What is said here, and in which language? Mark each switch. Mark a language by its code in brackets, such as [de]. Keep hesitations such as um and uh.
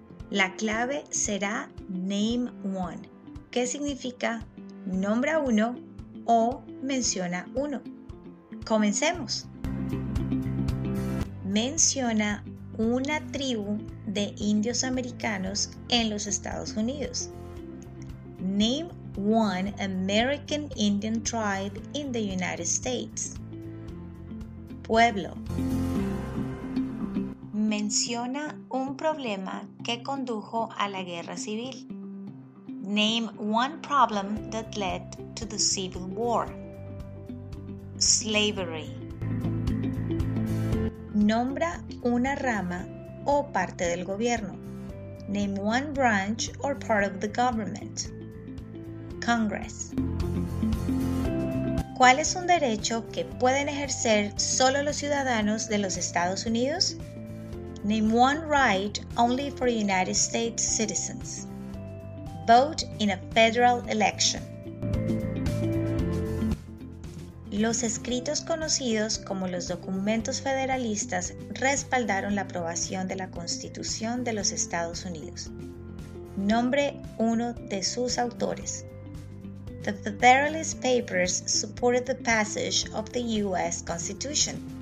[es] La clave será [en] Name One, [es] que significa nombra uno o menciona uno. Comencemos. Menciona una tribu de indios americanos en los Estados Unidos. [en] Name one American Indian tribe in the United States. [es] Pueblo. Menciona un problema que condujo a la guerra civil. [en] Name one problem that led to the Civil War. Slavery. [es] Nombra una rama o parte del gobierno. [en] Name one branch or part of the government. Congress. [es] ¿Cuál es un derecho que pueden ejercer solo los ciudadanos de los Estados Unidos? [en] Name one right only for United States citizens. Vote in a federal election. [es] Los escritos conocidos como los documentos federalistas respaldaron la aprobación de la Constitución de los Estados Unidos. Nombre uno de sus autores. [en] The Federalist Papers supported the passage of the U.S. Constitution.